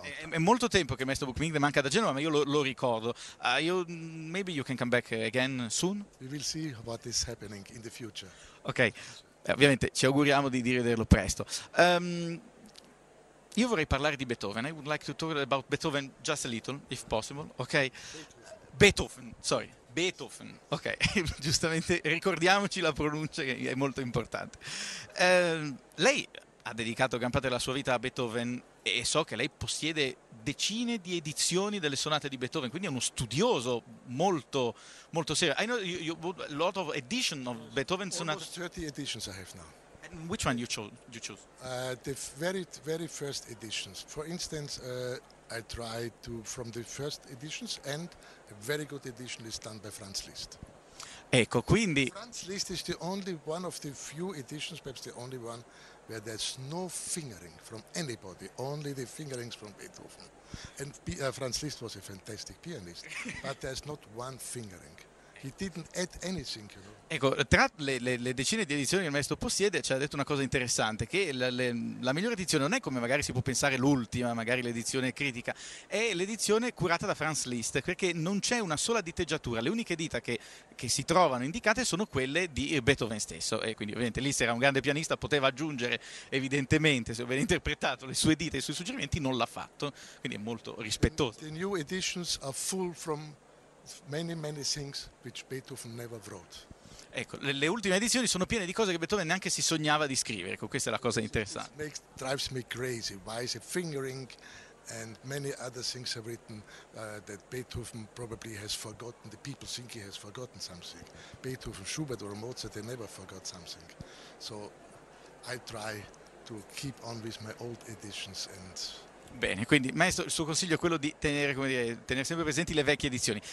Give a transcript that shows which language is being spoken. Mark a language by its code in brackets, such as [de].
[it] È molto tempo che Maestro Bookmaker manca da Genoa, ma io lo ricordo. [en] Maybe you can come back again soon? We will see what is happening in the future. [it] Ok, ovviamente ci auguriamo di rivederlo presto. Io vorrei parlare di Beethoven. [en] I would like to talk about Beethoven just a little, if possible, okay? Beethoven, ok. [it] Giustamente, ricordiamoci la pronuncia, che è molto importante. Lei ha dedicato gran parte della sua vita a Beethoven e so che lei possiede decine di edizioni delle sonate di Beethoven, quindi è uno studioso molto, molto serio. [en] I know you bought a lot of editions of Beethoven sonatas. Almost 30 editions I have now. Which one you choose? The very, very first editions. For instance, I try to from the first editions, and a very good edition is done by Franz Liszt. [it] Ecco, quindi. [en] Franz Liszt is the only one of the few editions, perhaps the only one, where there's no fingering from anybody, only the fingerings from Beethoven. And Franz Liszt was a fantastic pianist, but there's not one fingering. He didn't add anything, you know. [it] Ecco, tra le decine di edizioni che il maestro possiede, ci ha detto una cosa interessante, che la migliore edizione non è, come magari si può pensare, l'ultima, magari l'edizione critica, è l'edizione curata da Franz Liszt, perché non c'è una sola diteggiatura, le uniche dita che si trovano indicate sono quelle di Beethoven stesso, e quindi ovviamente Liszt era un grande pianista, poteva aggiungere evidentemente, se aveva interpretato le sue dita e i suoi suggerimenti, non l'ha fatto, quindi è molto rispettoso. [en] The new editions are full from many, many things which Beethoven never wrote. [it] Ecco, le ultime edizioni sono piene di cose che Beethoven neanche si sognava di scrivere. Ecco, questa è la cosa interessante. [en] It drives me crazy. Why is a fingering and many other things have written that Beethoven probably has forgotten. The people think he has forgotten something. Beethoven, Schubert or Mozart, they never forgot something. So I try to keep on with my old editions and... [it] Bene, quindi maestro, il suo consiglio è quello di tenere, come dire, tenere sempre presenti le vecchie edizioni.